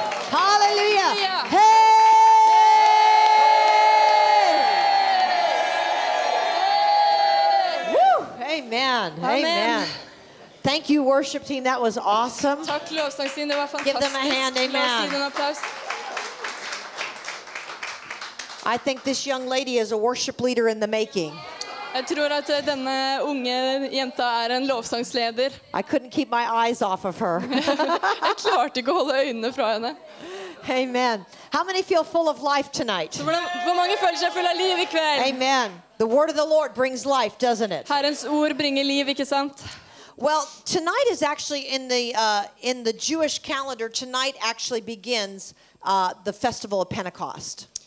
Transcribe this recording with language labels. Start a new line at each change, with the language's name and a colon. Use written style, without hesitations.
English: Hallelujah. Hey! Woo! Amen. Amen. Amen. Thank you, worship team. That was awesome.
Norwegian: Takk, lovsangsteam. Det var fantastisk.
English: Give them a hand. Amen. I think this young lady is a worship leader in the making.
Norwegian: Jeg tror at denne unge jenta en lovsangsleder.
English: I couldn't keep my eyes off of her.
Norwegian: Jeg klarte ikke å holde øynene fra henne.
English: Amen. How many feel full of life tonight?
Norwegian: Hvor mange føler seg full av liv I kveld?
English: Amen. The word of the Lord brings life, doesn't it?
Norwegian: Herrens ord bringer liv, ikke sant?
English: Well, tonight is actually in the Jewish calendar, tonight actually begins the festival of Pentecost.